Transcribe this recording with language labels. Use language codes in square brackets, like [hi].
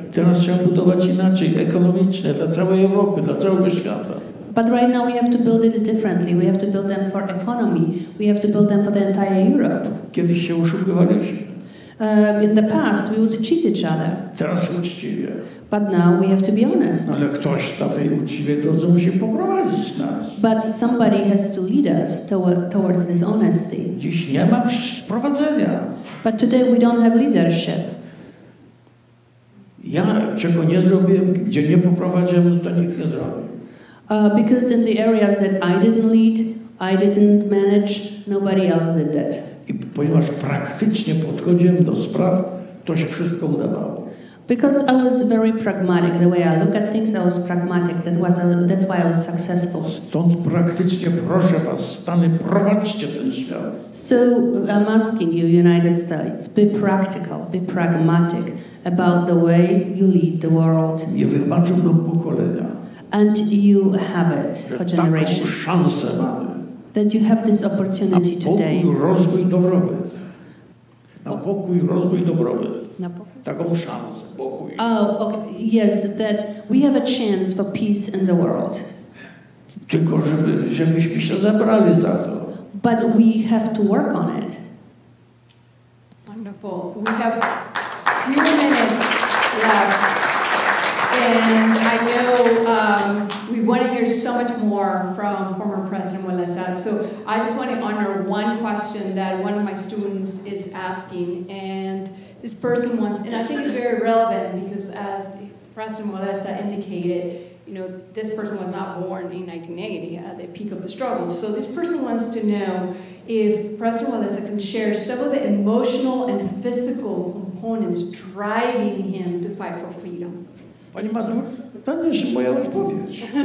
[pl] Teraz trzeba budować inaczej, ekonomicznie, dla całej Europy, dla całego świata. [en] But right now we have to build it differently. We have to build them for economy. We have to build them for the entire Europe. [pl] Kiedyś się oszukiwaliśmy. [en] In the past we would cheat each other. [pl] Teraz uczciwie. [en] But now we have to be honest. [pl] Ale ktoś na tej uczciwej drodze musi poprowadzić nas. [en] But somebody has to lead us towards this honesty. [pl] Dziś nie ma prowadzenia. [en] But today we don't have leadership. [pl] Ja czego nie zrobiłem, gdzie nie poprowadziłem, to nikt nie zrobił. [en] Because in the areas that I didn't lead, I didn't manage, nobody else did that. [pl] I ponieważ praktycznie podchodziłem do spraw, to się wszystko udawało. [en] Because I was very pragmatic, the way I look at things, I was pragmatic. That's why I was successful. [pl] Stąd praktycznie proszę was, Stany, prowadźcie ten świat. [en] So I'm asking you, United States, be practical, be pragmatic about the way you lead the world. [pl] Nie wybaczyłbym pokolenia. [en] And you have it for generations. [pl] Taką szansę mamy. [en] That you have this opportunity today. [pl] Na pokój, rozwój, dobrobyt. Na pokój, rozwój, dobrobyt. Na pokój? Taką szansę, pokój. [en] Oh, okay. Yes, that we have a chance for peace in the world. [pl] Tylko żebyśmy się zabrali za to. [en] But we have to work on it. Wonderful. We have few minutes left. And I know we want to hear so much more from former President Wałęsa. So I just want to honor one question that one of my students is asking. And this person wants, and I think it's very relevant because as President Wałęsa indicated, you know, this person was not born in 1980 at the peak of the struggle. So this person wants to know if President Wałęsa can share some of the emotional and physical components driving him to fight for freedom. [pl] Pani Mazur, to jest moja odpowiedź.